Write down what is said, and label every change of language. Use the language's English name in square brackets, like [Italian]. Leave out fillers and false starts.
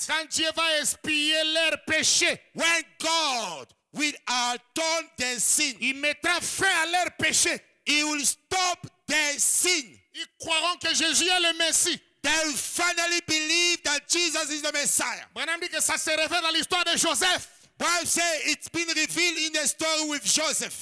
[French] Quand Dieu va expier leur péché. [English] When God will atone their sin. [French] Il mettra fin à leur péché. [English] He will stop their sin. [French] Ils croiront que Jésus est le Messie. [English] They will finally believe that Jesus is the Messiah. [French] Branham dit que ça se révèle dans l'histoire de Joseph. [English] Branham said it's been revealed in the story with Joseph.